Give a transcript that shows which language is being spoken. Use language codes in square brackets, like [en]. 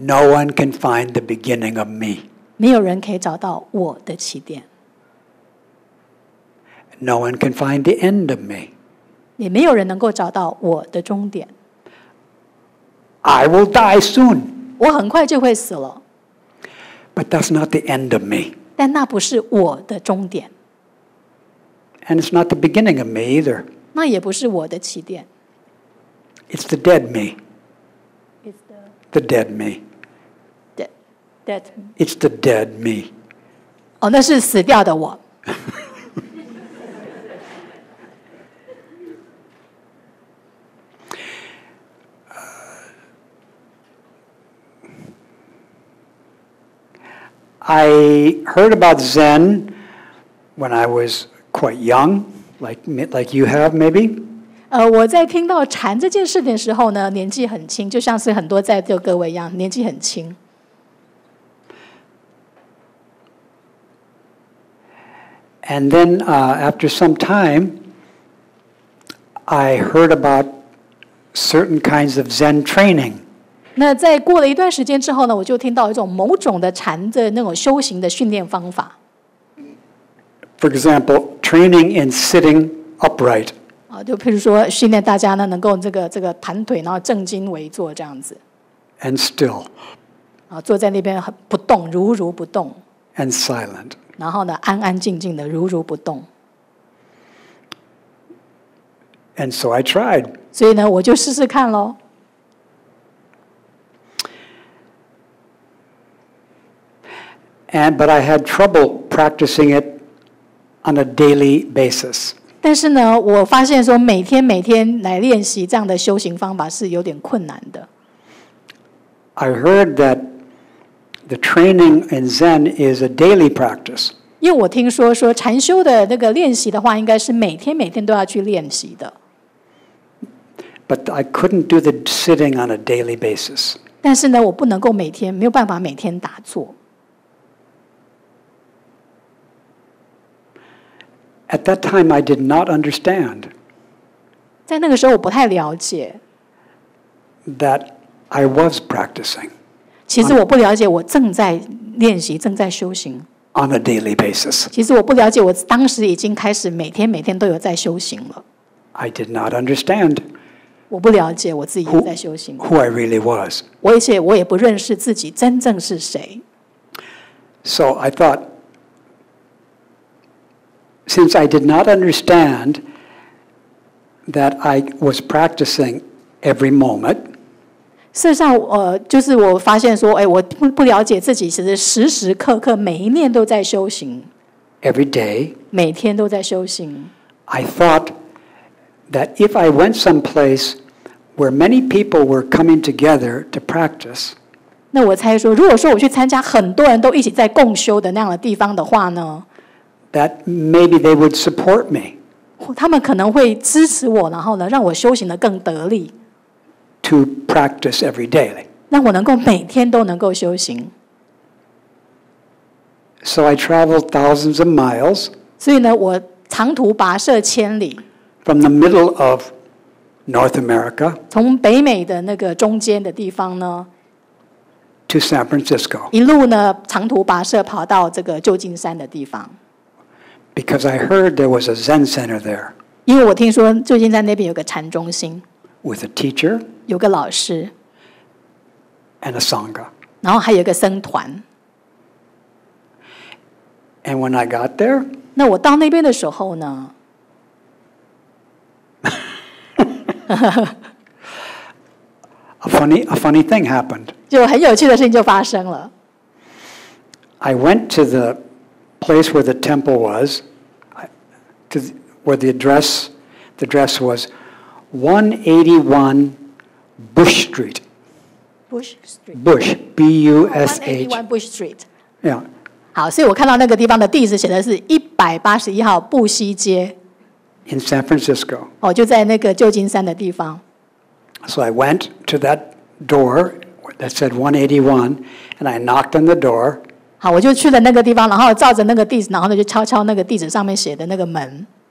[en] No one can find the beginning of me. [zh] 没有人可以找到我的起点。 [en] No one can find the end of me. [zh] 也没有人能够找到我的终点。 [en] I will die soon. [zh] 我很快就会死了。 [en] But that's not the end of me. [zh] 但那不是我的终点。 [en] And it's not the beginning of me either. [zh] 那也不是我的起点。 [en] It's the dead me. It's the dead me. Dead. It's the dead me. [zh] 哦，那是死掉的我。 [en] I heard about Zen when I was quite young, like you have maybe. [zh] 我在听到禅这件事的时候呢，年纪很轻，就像是很多在座各位一样，年纪很轻。 [en] And then after some time, I heard about certain kinds of Zen training. [zh] 那在过了一段时间之后呢，我就听到一种某种的禅的那种修行的训练方法。 [en] For example, training in sitting upright. [zh] 就譬如说训练大家呢能够这个盘腿，然后正襟危坐这样子。 [en] And still. [zh] 坐在那边不动，如如不动。 [en] And silent. [zh] 然后呢，安安静静的，如如不动。 [en] And so I tried. [zh] 所以呢，我就试试看喽。 [en] But I had trouble practicing it on a daily basis. [zh] 但是呢，我发现说每天每天来练习这样的修行方法是有点困难的。 [en] I heard that the training in Zen is a daily practice. [zh] 因为我听说禅修的那个练习的话，应该是每天每天都要去练习的。 [en] But I couldn't do the sitting on a daily basis. [zh] 但是呢，我不能够每天没有办法每天打坐。 [en] At that time, I did not understand. [zh] 在那个时候，我不太了解。 [en] That I was practicing. [zh] 其实我不了解，我正在练习，正在修行。 [en] On a daily basis. [zh] 其实我不了解，我当时已经开始每天每天都有在修行了。 [en] I did not understand. [zh] 我不了解我自己在修行。 [en] Who I really was. [zh] 而且我也不认识自己真正是谁。 [en] So I thought, since I did not understand that I was practicing every moment, [zh] 事实上，就是我发现说，哎，我不了解自己，其实时时刻刻每一念都在修行。 [en] Every day， [zh] 每天都在修行。 [en] I thought that if I went someplace where many people were coming together to practice， [zh] 那我猜说，如果说我去参加很多人都一起在共修的那样的地方的话呢 [en] ？That maybe they would support me， [zh] 他们可能会支持我，然后呢，让我修行的更得力。 [en] To practice every day， [zh] 让我能够每天都能够修行。 [en] So I traveled thousands of miles。 [zh] 所以呢，我长途跋涉千里。 [en] From the middle of North America， [zh] 从北美的那个中间的地方呢 [en] ，to San Francisco， [zh] 一路呢长途跋涉跑到这个旧金山的地方。 [en] Because I heard there was a Zen center there， [zh] 因为我听说旧金山那边有个禅中心。 [en] With a teacher， [zh] 有个老师 [en] ，and a sangha， [zh] 然后还有个僧团。 [en] And when I got there， [zh] 那我到那边的时候呢 [en] a funny thing happened， [zh] 就很有趣的事情就发生了。 [en] I went to the place where the temple was， to where the address was。 181 Bush Street. Bush Street. Bush, B-U-S-H. 181 Bush Street. Yeah. [zh] 好，所以我看到那个地方的地址写的是181号布西街。 [en] In San Francisco. [zh] 哦，就在那个旧金山的地方。 [en] So I went to that door that said 181, and I knocked on the door. [zh] 好，我就去了那个地方，然后照着那个地址，然后就敲敲那个地址上面写的那个门。